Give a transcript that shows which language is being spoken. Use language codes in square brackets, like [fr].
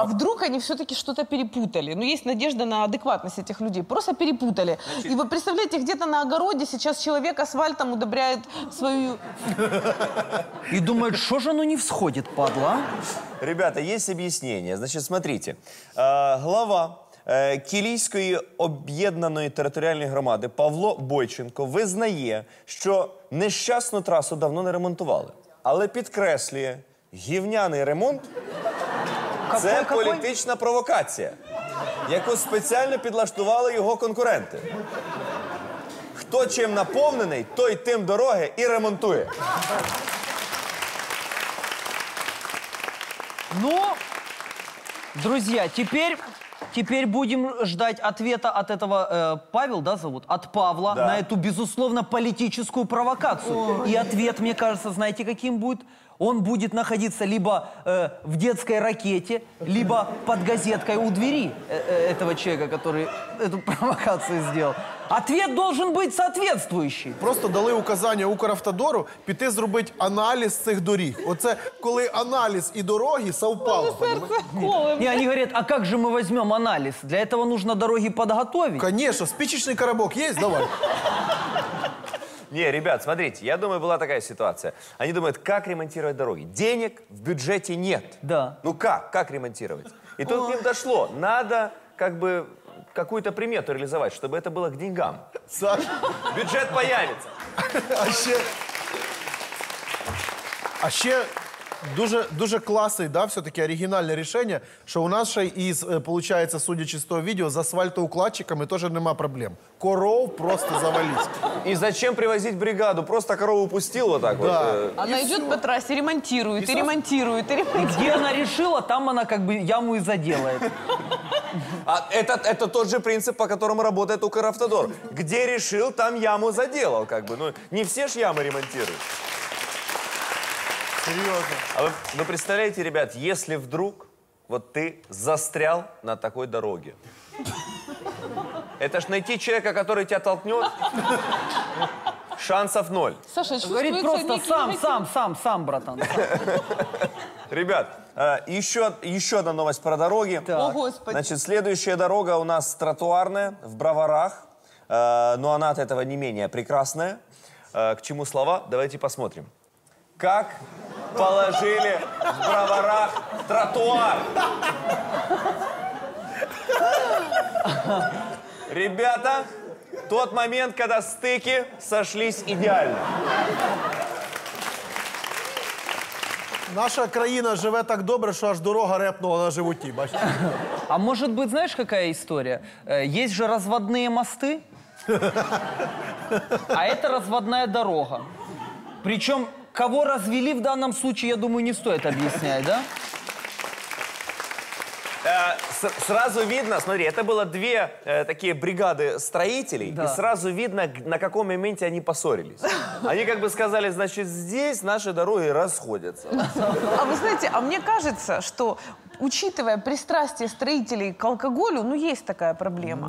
[ru] А вдруг они все-таки что-то перепутали? Ну, есть надежда на адекватность этих людей. Просто перепутали. Значит... И вы представляете, где-то на огороде сейчас человек асфальтом удобряет свою... И думает, что же оно не всходит, падла? Ребята, есть объяснение. Значит, смотрите. [uk] Глава Кілійської об'єднаної територіальної громади Павло Бойченко визнає, що нещасну трасу давно не ремонтували. Але підкреслює, гівняний ремонт... Це політична провокація, яку спеціально підлаштували його конкуренти. Хто чим наповнений, той тим дороги і ремонтує. Ну, друзі, тепер будемо чекати відповіді від цього Павла, [ru] да, зовут? От Павла, да. [uk] На цю, [ru] безусловно, [uk] політичну провокацію. І відповідь, мені кажеться, знаєте, яким буде? [ru] Он будет находиться либо в детской ракете, либо под газеткой у двери этого человека, который эту провокацию сделал. Ответ должен быть соответствующий. [uk] Просто дали указание Укравтодору піти зробить анализ цих доріг. Оце коли анализ и дороги совпало. [ru] Не, они говорят, а как же мы возьмем анализ? Для этого нужно дороги подготовить. Конечно, спичечный коробок есть? Давай. Не, ребят, смотрите, я думаю, была такая ситуация. Они думают, как ремонтировать дороги? Денег в бюджете нет. Да. Ну как ремонтировать? И тут к ним дошло. Надо как бы какую-то примету реализовать, чтобы это было к деньгам. Саш, бюджет появится. А еще [uk] дуже, дуже класний, да, все-таки оригінальне рішення, що у нас ще із, виходить, судячи з того відео, з асфальтоукладчиками теж нема проблем. [ru] Коров просто завалить. [uk] І [ru] зачем [uk] привозити бригаду? Просто корову пустив отак [ru] да. Вот. [uk] Вона йде по трасі, ремонтує, і ремонтує, і ремонтує. Де вона вирішила, там вона [ru] как бы [uk] яму і заделає. [ru] А это тот же принцип, по которому работает Укравтодор. Где решил, там яму заделал, как бы. Ну, не все ж ямы ремонтируют. Серьезно. А вы представляете, ребят, если вдруг вот ты застрял на такой дороге. Это ж найти человека, который тебя толкнет, шансов ноль. Саша, говорит просто сам, братан. Ребят, еще одна новость про дороги. О, Господи. Значит, следующая дорога у нас тротуарная в Броварах. Но она от этого не менее прекрасная. К чему слова? Давайте посмотрим. Как положили в Броварах тротуар? Ребята, тот момент, когда стыки сошлись идеально. [uk] Наша країна живе так добре, що аж дорога репнула на животі, бачите? А може бути, знаєш, яка історія? Є ж розводні мости, а це розводна дорога. Причому, кого розвели в даному випадку, я думаю, не стоїть об'яснювати, так? [ru] Сразу видно, смотри, это было две такие бригады строителей, да. И сразу видно, на каком моменте они поссорились. Они как бы сказали, значит, здесь наши дороги расходятся. А вы знаете, а мне кажется, что, учитывая пристрастие строителей к алкоголю, ну, есть такая проблема.